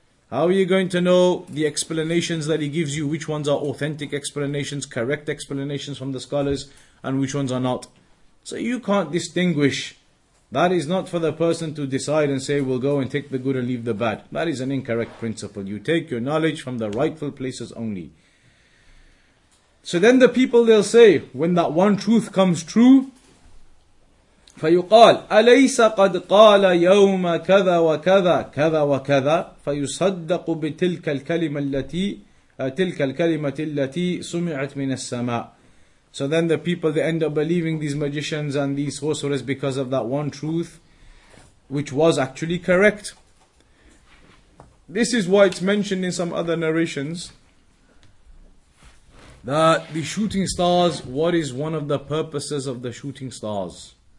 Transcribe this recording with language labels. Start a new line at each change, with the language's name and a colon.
English: How are you going to know the explanations that he gives you, which ones are authentic explanations, correct explanations from the scholars, and which ones are not? So you can't distinguish. That is not for the person to decide and say, we'll go and take the good and leave the bad. That is an incorrect principle. You take your knowledge from the rightful places only. So then the people, they'll say, when that one truth comes true,
Arabic: فَيُقَالْ أَلَيْسَ قَدْ قَالَ يَوْمَ كَذَا وَكَذَا كَذَا وَكَذَا فَيُصَدَّقُ بِتِلْكَ الْكَلِمَةِ الَّتِي سُمِعَتْ مِنَ السَّمَاءِ.
English: So then the people, they end up believing these magicians and these sorcerers because of that one truth, which was actually correct. This is why it's mentioned in some other narrations that the shooting stars, what is one of the purposes of the shooting stars?